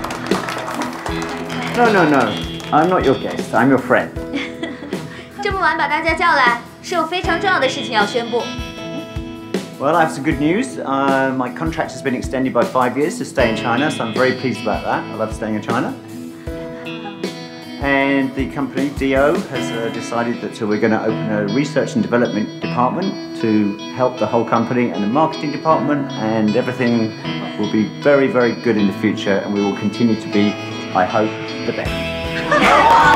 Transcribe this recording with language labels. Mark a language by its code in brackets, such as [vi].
[en] No no no, I'm not your guest, I'm your friend. [zh] 这么晚把大家叫来，是有非常重要的事情要宣布。 [en] Well, I have some good news. My contract has been extended by 5 years to stay in China, so I'm very pleased about that. I love staying in China. And the company, DO, has decided that we're going to open a research and development department to help the whole company and the marketing department, and everything will be very, very good in the future, and we will continue to be, I hope, the best.